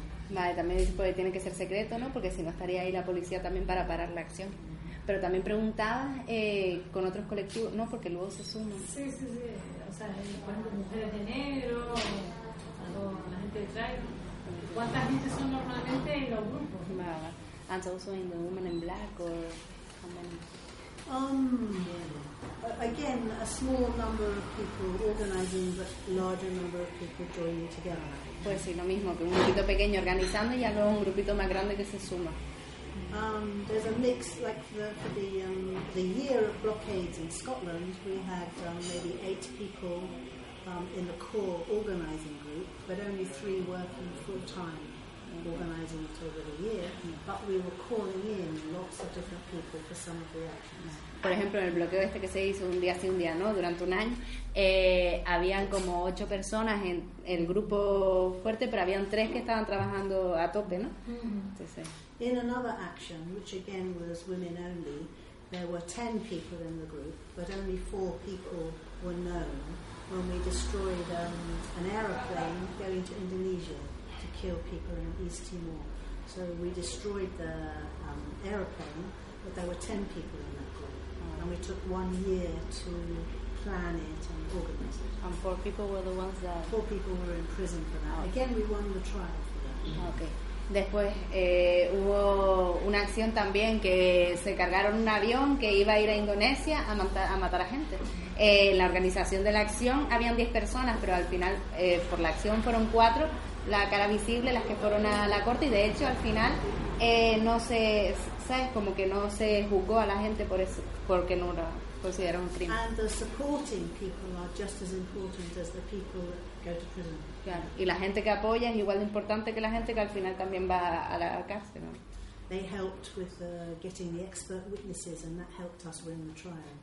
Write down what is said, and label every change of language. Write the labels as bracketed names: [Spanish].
[Spanish] Vale, también dice que tiene que ser secreto, ¿no? Porque si no estaría ahí la policía también para parar la acción. Pero también preguntaba con otros colectivos, no, porque luego se suman. Sí, sí, sí. O sea, cuando mujeres de negro, o la gente de traje, ¿cuánta gente son normalmente en los grupos? Vale. [English] And so also in the women in black, or how many? Again, a small number of people organizing, but larger number of people joining together. [Spanish] Pues sí, lo mismo, que un grupito pequeño organizando y luego un grupito más grande que se suma. [English] There's a mix, like for the year of blockades in Scotland, we had maybe 8 people in the core organizing group, but only 3 working full time organizing it over the year. but we were calling in lots of different people for some of the actions. [Spanish] Por ejemplo, en el bloqueo este que se hizo un día sí, un día no, durante un año, habían como 8 personas en el grupo fuerte, pero habían 3 que estaban trabajando a tope, ¿no? [English] Entonces, in another action, which again was women only, there were 10 people in the group, but only 4 people were known when we destroyed an aeroplane going to Indonesia to kill people in East Timor. So we destroyed the aeroplane, but there were 10 people in that group. And we took 1 year to plan it and organize it. And 4 people were the ones that... 4 people were in prison for that. Again, we won the trial for that. Okay. [Spanish] Después hubo una acción también que se cargaron un avión que iba a ir a Indonesia a matar a gente. En la organización de la acción habían 10 personas, pero al final por la acción fueron 4, la cara visible, las que fueron a la corte, y de hecho al final no se, ¿sabes? Como que no se juzgó a la gente por eso, porque no lo consideraron un crimen. [English] And the supporting people are just as important as the people that go to prison. [Spanish] Claro. Y la gente que apoya es igual de importante que la gente que al final también va a la cárcel, ¿no? [English] They helped with getting the expert witnesses, and that helped us win the trial.